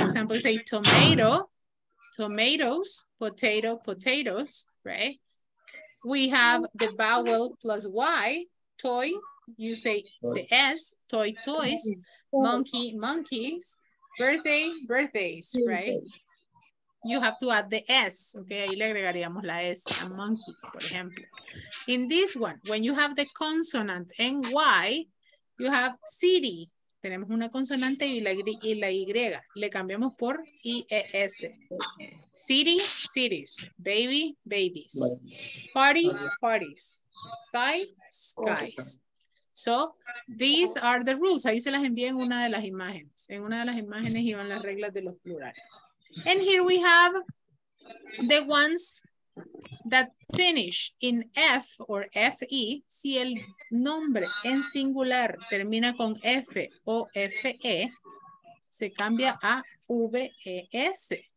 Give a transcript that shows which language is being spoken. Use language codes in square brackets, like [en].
[en] For example, say tomato, tomatoes, potato, potatoes, right? We have the vowel plus Y, toy, you say the S, toy, toys, monkey, monkeys, birthday, birthdays, right? You have to add the S, okay? [es] Ahí le agregaríamos la S a monkeys, por ejemplo. [en] In this one, when you have the consonant en Y, you have city. [es] Tenemos una consonante y la Y. Le cambiamos por IES. [en] City, cities. Baby, babies. Party, parties. Sky, skies. So, these are the rules. [es] Ahí se las envié en una de las imágenes. En una de las imágenes iban las reglas de los plurales. [en] And here we have the ones that finish in F or F-E. [es] Si el nombre en singular termina con F o F-E, se cambia a V-E-S.